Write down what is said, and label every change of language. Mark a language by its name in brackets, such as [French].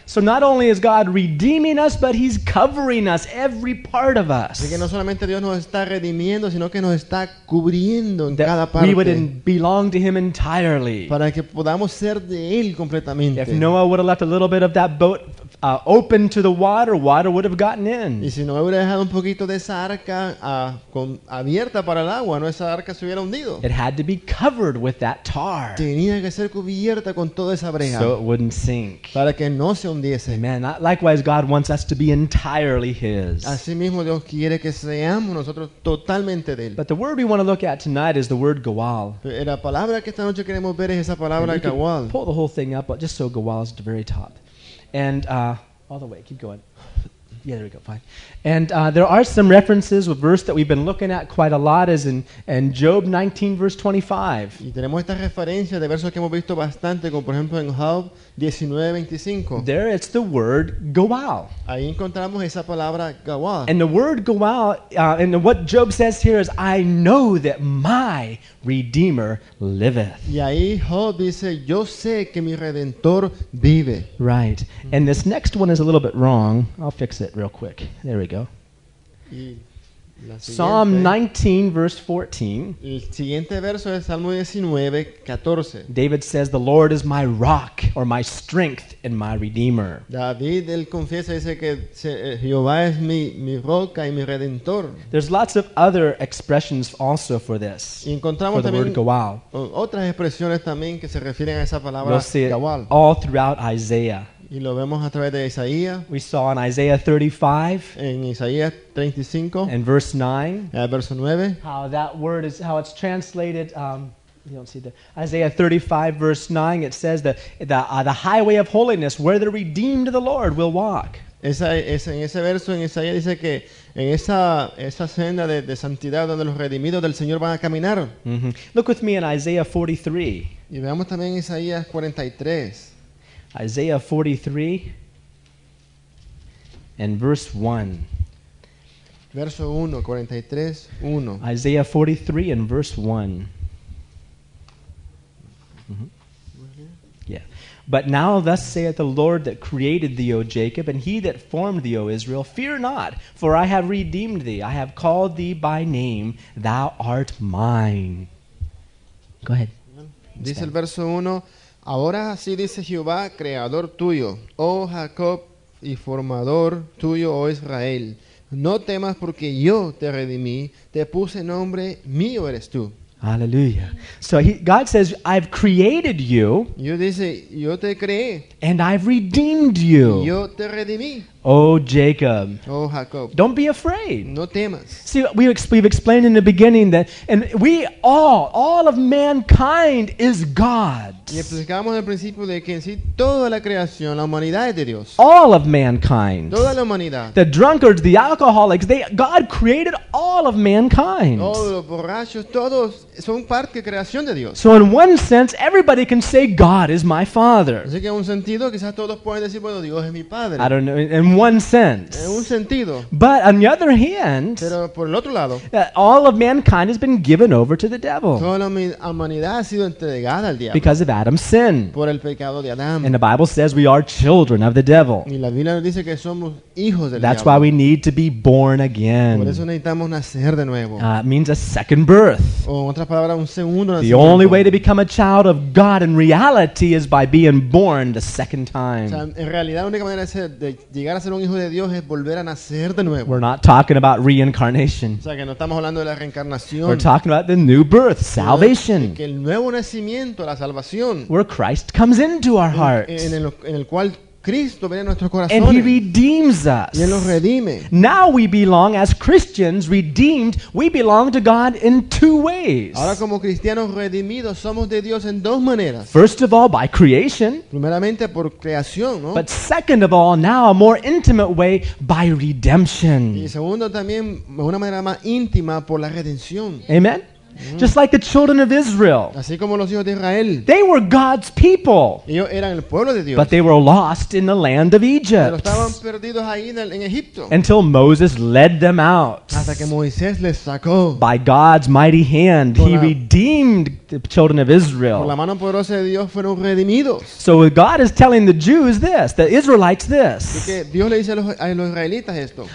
[English] So not only is God redeeming us, but He's covering us, every part of us. [Spanish] Así que no solamente Dios nos está redimiendo, sino que nos está cubriendo en cada parte. [English] We would belong to Him entirely. [Spanish] Para que podamos ser de Él completamente. [English] If Noah would have left a little bit of that boat open to the water would have gotten in. [Spanish] Y si Noé hubiera dejado un poquito de esa arca abierta para el agua, no, esa arca se hubiera hundido. [English] It had to be covered with that tar. [Spanish] Tenía que ser cubierta con toda esa brea. [English] So it wouldn't sink. [Spanish] Para que no se hundiese. [English] Amen. Likewise, God wants us to be entirely His. [Spanish] Así mismo Dios quiere que seamos nosotros totalmente de Él. [English] But the word we want to look at tonight is the word gawal. [Spanish] La palabra que esta noche queremos ver es esa palabra gawal. [English] Pull the whole thing up, but just so gawal is at the very top. And all the way, keep going. Yeah, there we go, fine. And there are some references. A verse that we've been looking at quite a lot is in Job 19, verse 25. [Spanish] Y tenemos estas referencias de versos que hemos visto bastante, como por ejemplo en Job 19:25. [English] There it's the word gawal. [Spanish] Ahí encontramos esa palabra gawal. [English] And the word gawal, and what Job says here is, I know that my Redeemer liveth. [Spanish] Y ahí Job dice, yo sé que mi Redentor vive. [English] Right. And this next one is a little bit wrong. I'll fix it real quick. There we go. Psalm 19, verse 14. [Spanish] El siguiente verso es Salmo 19, 14. [English] David says, the Lord is my rock, or my strength, and my redeemer. [Spanish] David, él confiesa, dice que Jehová es mi roca y mi redentor. [English] There's lots of other expressions also for this, [Spanish] y encontramos [English] for the word gawal. [Spanish] Otras expresiones también que se refieren a esa palabra gawal. [English] We'll see it all throughout Isaiah. [Spanish] Y lo vemos a través de Isaías. [English] We saw in Isaiah 35. [Spanish] En Isaías 35. [English] And verse 9. [Spanish] Verso 9. [English] How that word is, how it's translated. You don't see that. Isaiah 35, verse 9. It says that the highway of holiness, where the redeemed of the Lord will walk. [Spanish] En ese verso en Isaías dice que en esa senda de santidad donde los redimidos del Señor van a caminar. [English] Mm-hmm. Look with me in Isaiah 43. [Spanish] Y veamos también Isaías 43. [English] Isaiah 43 and verse 1. [Spanish] Verso 1, 43, 1. [English] Isaiah 43 and verse 1. Mm-hmm. Yeah. But now thus saith the Lord that created thee, O Jacob, and he that formed thee, O Israel, fear not, for I have redeemed thee. I have called thee by name. Thou art mine. Go ahead. [Spanish] Dice el verso 1. Ahora así dice Jehová, creador tuyo, oh Jacob, y formador tuyo, oh Israel. No temas porque yo te redimí, te puse nombre, mío eres tú. Aleluya. [English] So God says, I've created you. [Spanish] Yo dice, yo te creé. [English] And I've redeemed you. [Spanish] Yo te redimí. [English] Oh Jacob. [Spanish] Oh Jacob. [English] Don't be afraid. [Spanish] No temas. [English] See, we've explained in the beginning that, and we all of mankind is God. [Spanish] Y explicamos al principio de que en sí toda la creación, la humanidad es de Dios. [English] All of mankind. [Spanish] Toda la humanidad. [English] The drunkards, the alcoholics, God created all of mankind. [Spanish] Todos los borrachos, todos son parte de creación de Dios. [English] So in one sense, everybody can say God is my Father. [Spanish] Así que en un sentido, quizás todos pueden decir, bueno, Dios es mi padre. [English] I don't know. In one sense. [Spanish] En un sentido. [English] But on the other hand, [Spanish] pero por el otro lado, [English] all of mankind has been given over to the devil. [Spanish] Toda la humanidad ha sido entregada al diablo. [English] Because of Adam's sin. [Spanish] Por el pecado de Adán. [English] And the Bible says we are children of the devil. [Spanish] Y la Biblia dice que somos hijos del [English] That's [Spanish] diablo. [English] Why we need to be born again. [Spanish] Por eso necesitamos nacer de nuevo. [English] It means a second birth. [Spanish] O en otras palabras, un segundo nacimiento. [English] The only way to become a child of God in reality is by being born the second time. [Spanish] O sea, en realidad, la única manera de llegar a ser un hijo de Dios es volver a nacer de nuevo. [English] We're not talking about reincarnation. [Spanish] O sea, que no estamos hablando de la reencarnación. [English] We're talking about the new birth, salvation. [Spanish] Que el nuevo nacimiento, la salvación. [English] Where Christ comes into our hearts. [Spanish] En el cual Cristo viene a nuestros corazones. [English] And he redeems us. [Spanish] Y él nos redime. [English] Now we belong as Christians redeemed, we belong to God in two ways. [Spanish] Ahora como cristianos redimidos somos de Dios en dos maneras. [English] First of all by creation. [Spanish] Primeramente por creación, ¿no? [English] But second of all now a more intimate way by redemption. [Spanish] Y segundo también de una manera más íntima por la redención. [English] Amen. Just like the children of Israel. [Spanish] Así como los hijos de Israel. [English] They were God's people. [Spanish] Ellos eran el pueblo de Dios. [English] But they were lost in the land of Egypt. [Spanish] Pero estaban perdidos ahí en Egipto. [English] Until Moses led them out. [Spanish] Hasta que Moisés les sacó. [English] By God's mighty hand, he redeemed the children of Israel. [Spanish] Por la mano poderosa de Dios fueron redimidos. [English] So God is telling the Jews this, the Israelites this. [Spanish] Y que Dios le dice a los israelitas esto.